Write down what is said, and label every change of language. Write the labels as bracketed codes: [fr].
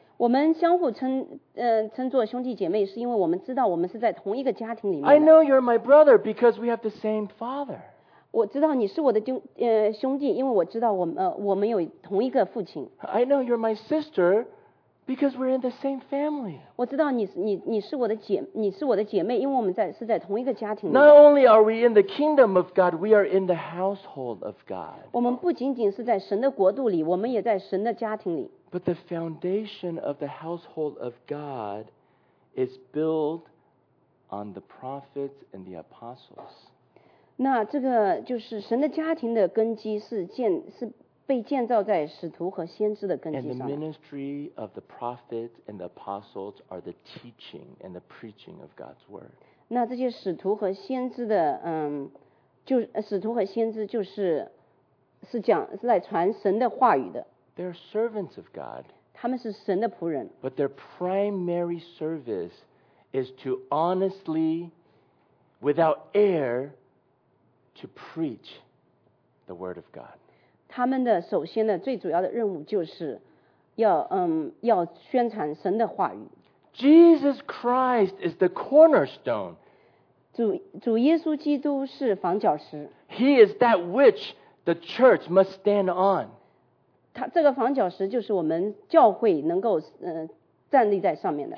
[zh] 我们相互称作兄弟姐妹，是因为我们知道我们是在同一个家庭里面。 [en] I know you're my brother because we have the same father. [zh] 我知道你是我的兄弟，因为我知道我们有同一个父亲。 [en] I know you're my sister because we're in the same family. [zh] 我知道你是我的姐妹，因为我们是在同一个家庭里。 [en] Not only are we in the kingdom of God, we are in the household of God. [zh] 我们不仅仅是在神的国度里，我们也在神的家庭里。 [en] But the foundation of the household of God is built on the prophets and the apostles. [zh] 那这个就是神的家庭的根基是被建造在使徒和先知的根基上。 [en] And the ministry of the prophets and the apostles are the teaching and the preaching of God's word. [zh] 那这些使徒和先知的使徒和先知就是讲是来传神的话语的。 [en] They're servants of God. [zh] 他们是神的仆人。 [en] But their primary service is to honestly, without error, to preach the word of God. [zh] 他们的首先的最主要的任务就是要宣传神的话语。 [en] Jesus Christ is the cornerstone. [zh] 主耶稣基督是房角石。 [en] He is that which the church must stand on. [zh] 这个房角石就是我们教会能够站立在上面的。